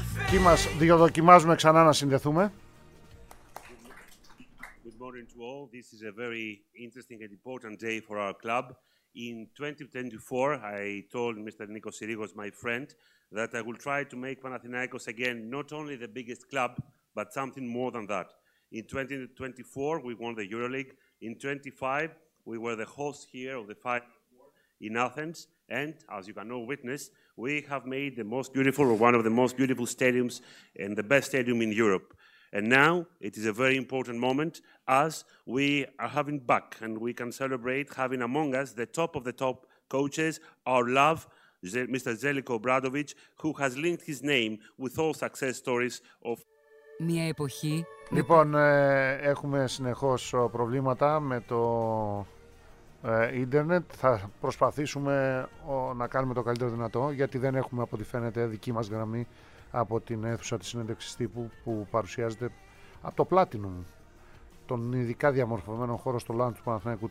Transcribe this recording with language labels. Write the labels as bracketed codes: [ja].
[el] Τι μας δοκιμάζουμε ξανά να συνδεθούμε. [en] Good morning to all. This is a very interesting and important day for our club. In 2024, I told Mr. Nico Sirigos, my friend, that I will try to make Panathinaikos again not only the biggest club, but something more than that. In 2024, we won the EuroLeague. In 25, we were the host here of the final in Athens. And as you can all witness, we have made the most beautiful, or one of the most beautiful stadiums and the best stadium in Europe. And now it is a very important moment as we are having back and we can celebrate having among us the top of the top coaches, our love, Mr. Zeliko Obradovic, who has linked his name with all success stories of... [el] Μια εποχή... Λοιπόν, έχουμε συνεχώς προβλήματα με το ίντερνετ. Θα προσπαθήσουμε να κάνουμε το καλύτερο δυνατό γιατί δεν έχουμε από ό,τι φαίνεται δική μας γραμμή από την αίθουσα της συνέντευξης τύπου που παρουσιάζεται από το Platinum, τον ειδικά διαμορφωμένο χώρο στο Λάντ του Παναθηναϊκού.